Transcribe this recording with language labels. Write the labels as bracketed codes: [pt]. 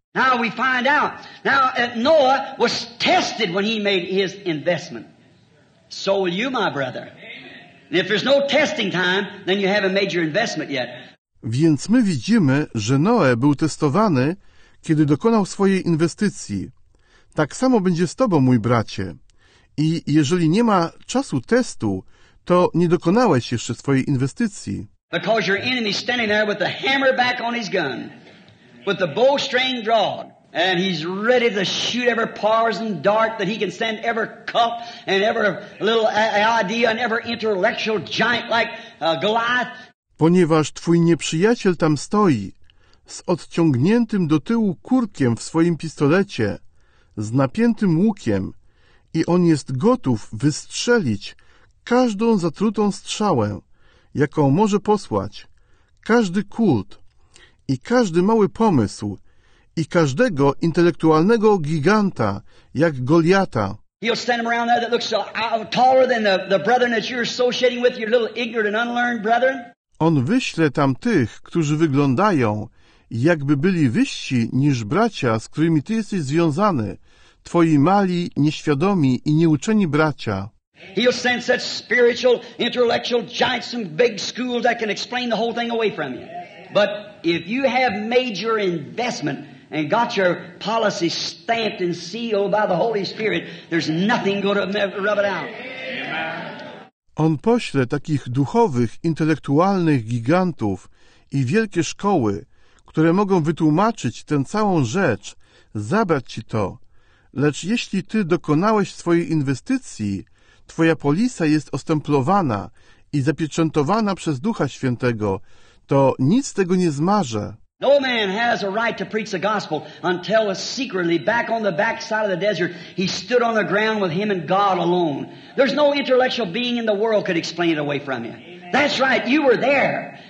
[en] Now we find out. Now Noah was tested when he made his investment. So will you, my brother. And if there's no testing time, then you haven't made your investment yet. [pl] Więc my widzimy, że Noe był testowany, kiedy dokonał swojej inwestycji. Tak samo będzie z tobą, mój bracie. I jeżeli nie ma czasu testu, to nie dokonałeś jeszcze swojej inwestycji. [en] Because your enemy's standing there with the hammer back on his gun, with the bowstring drawn, and he's ready to shoot every poison dart that he can send, every cup and every little idea and every intellectual giant like Goliath. [pl] Ponieważ twój nieprzyjaciel tam stoi, z odciągniętym do tyłu kurkiem w swoim pistolecie, z napiętym łukiem i on jest gotów wystrzelić każdą zatrutą strzałę, jaką może posłać, każdy kult i każdy mały pomysł i każdego intelektualnego giganta, jak Goliata. [en] He'll stand around there that looks taller than the brethren that you're associating with, your little ignorant and unlearned brethren. [pl] On wyśle tam tych, którzy wyglądają, jakby byli wyżsi niż bracia, z którymi ty jesteś związany, twoi mali, nieświadomi i nieuczeni bracia. [en] He'll send such spiritual, intellectual giants from big schools that can explain the whole thing away from you. But if you have made your investment and got your policy stamped and sealed by the Holy Spirit, there's nothing going to rub it out. [pl] On pośle takich duchowych, intelektualnych gigantów i wielkie szkoły, które mogą wytłumaczyć tę całą rzecz, zabrać ci to. Lecz jeśli ty dokonałeś swojej inwestycji, twoja polisa jest ostemplowana i zapieczętowana przez Ducha Świętego, to nic tego nie zmarzę. [en] No man has a right to preach the gospel until secretly back on the backside of the desert he stood on the ground with him and God alone. There's no intellectual being in the world could explain it away from you. That's right, you were there.